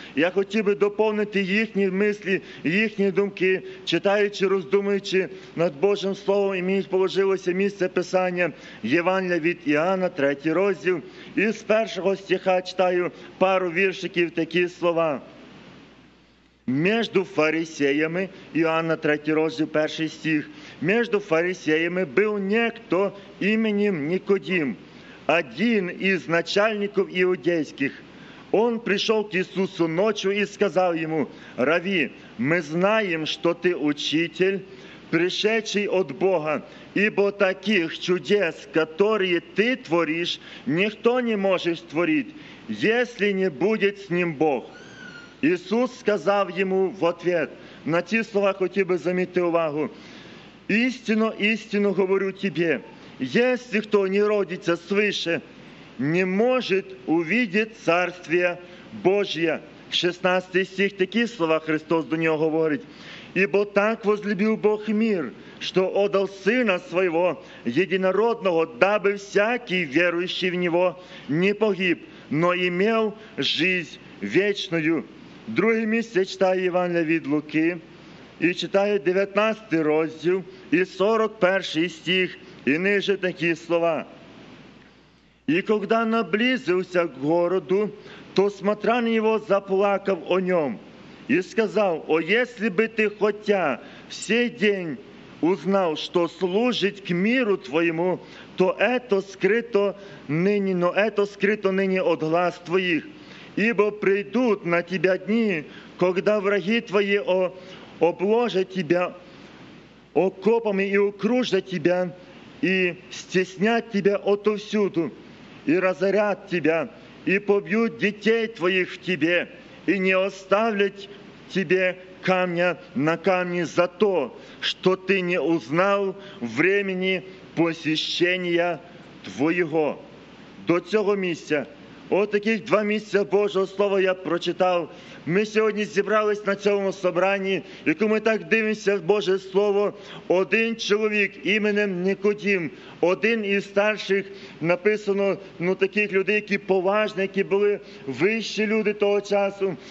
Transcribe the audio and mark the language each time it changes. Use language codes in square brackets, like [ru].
[uk] Я хотів би доповнити їхні мислі, їхні думки, читаючи, роздумуючи над Божим Словом. І мені положилося місце писання Євангелія від Іоанна, 3 розділ. І з першого стиха читаю пару віршиків, такі слова. [ru] Между фарисеями, Иоанна [uk] 3 розділ 1 стих, [ru] между фарисеями был некто именем Никодим, один из начальников иудейских. Он пришел к Иисусу ночью и сказал ему: «Рави, мы знаем, что ты учитель, пришедший от Бога, ибо таких чудес, которые ты творишь, никто не может творить, если не будет с ним Бог». [uk] Ісус сказав йому в ответ. На ці слова хотів би замітити увагу. «Істинно, істинно говорю тобі, якщо хто не родиться свише, не може увидіти царствія Божія». 16 стих, такі слова Христос до нього говорить. «Ібо так возлюбив Бог мир, що отдав Сина Своєго, єдинородного, даби всякий віруючий в Нього не погиб, [ru] но имел жизнь вечную». [uk] Друге місце читає Євангелія від Луки і читає 19 розділ і 41 стих, і ниже такі слова. «І коли наблизився к городу, то смотрян його заплакав о ньому і сказав: «О, якщо би ти хоча всей день узнав, що служить к миру твоєму, то ето скрито нині, но ето скрито нині от глаз твоїх. [ru] Ибо придут на тебя дни, когда враги твои обложат тебя окопами и окружат тебя, и стеснят тебя отовсюду, и разорят тебя, и побьют детей твоих в тебе, и не оставят тебе камня на камне за то, что ты не узнал времени посещения твоего». [uk] До цього місця. От таких два місця Божого Слова я прочитав. Ми сьогодні зібрались на цьому собранні, яку ми так дивимося в Боже Слово. Один чоловік іменем Никодим, один із старших, написано, ну таких людей, які поважні, які були вищі люди того часу.